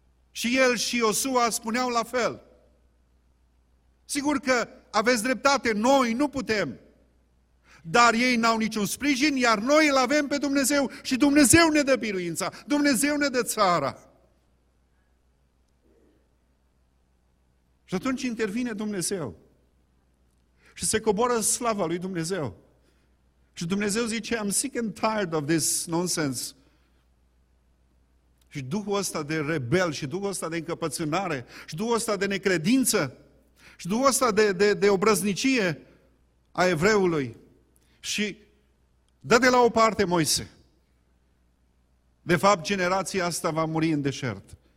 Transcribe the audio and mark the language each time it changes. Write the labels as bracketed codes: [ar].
[ro] Și el și Iosua spuneau la fel. Sigur că aveți dreptate, noi nu putem, dar ei n-au niciun sprijin, iar noi îl avem pe Dumnezeu și Dumnezeu ne dă biruința, Dumnezeu ne dă țara. Și atunci intervine Dumnezeu și se coboară slava lui Dumnezeu. Și Dumnezeu zice, [en] I'm sick and tired of this nonsense. [ro] Și Duhul ăsta de rebel și Duhul ăsta de încăpățânare și Duhul ăsta de necredință și Duhul ăsta de obrăznicie a evreului. Și dă de la o parte Moise. De fapt, generația asta va muri în deșert.